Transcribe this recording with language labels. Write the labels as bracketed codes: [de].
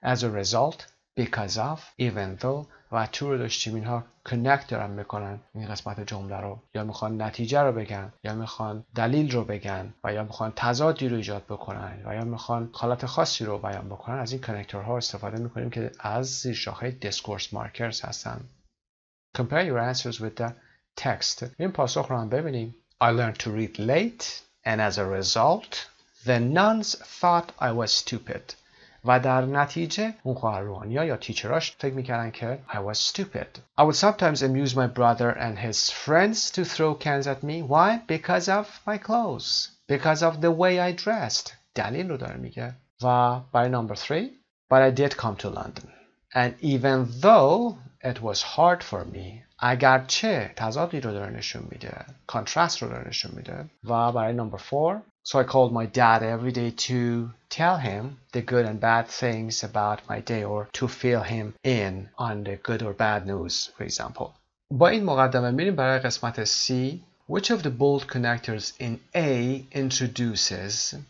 [en] As a result, because of, even though, [fa] و تو رو داشتیم اینها کنکت دارن میکنن این قسمت جمله رو یا میخوان نتیجه رو بگن یا میخوان دلیل رو بگن و یا میخوان تضادی رو ایجاد بکنن و یا میخوان حالت خاصی رو بیان بکنن از این کنکتورها استفاده میکنیم که از زیر شاخه دیسکورس مارکرز هستن. [en] Compare your answers with the text. [fa] این پاسخ رو هم ببینیم. [en] I learned to read late and as a result the nuns thought I was stupid. [fa] و در نتیجه اون خواهر روحانی یا تیچراش فکر میکردن که [en] I was stupid. I would sometimes amuse my brother and his friends to throw cans at me. Why? Because of my clothes. Because of the way I dressed. [fa] دلیل رو داره میگه. و برای نمبر 3. [en] But I did come to London. And even though it was hard for me. [fa] اگرچه تضادی رو داره نشون میده. Contrast رو داره نشون میده. و برای نمبر 4. [en] So I called my dad every day to tell him the good and bad things about my day or to fill him in on the good or bad news, for example. [fa] با این مقدمه میریم برای قسمت C. [en] Which of the bold connectors in A introduces...